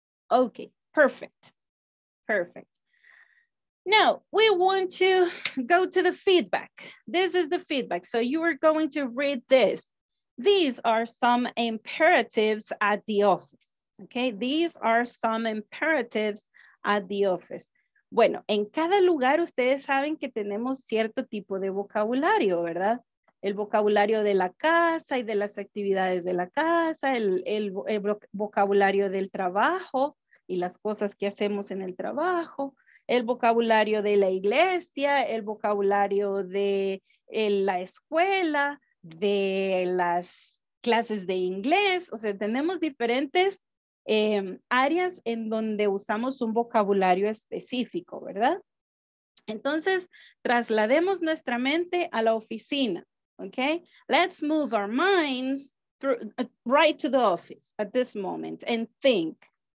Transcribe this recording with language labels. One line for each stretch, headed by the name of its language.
English: Okay, perfect. Perfect. Now, we want to go to the feedback. This is the feedback. So you are going to read this. These are some imperatives at the office. Okay, these are some imperatives at the office.
Spanish: Bueno, en cada lugar ustedes saben que tenemos cierto tipo de vocabulario, ¿verdad? El vocabulario de la casa y de las actividades de la casa, el vocabulario del trabajo y las cosas que hacemos en el trabajo, el vocabulario de la iglesia, el vocabulario de la escuela, de las clases de inglés. O sea, tenemos diferentes áreas en donde usamos un vocabulario específico, ¿verdad? Entonces, traslademos nuestra mente a la oficina, ¿ok?
English: Let's move our minds right to the office at this moment and think.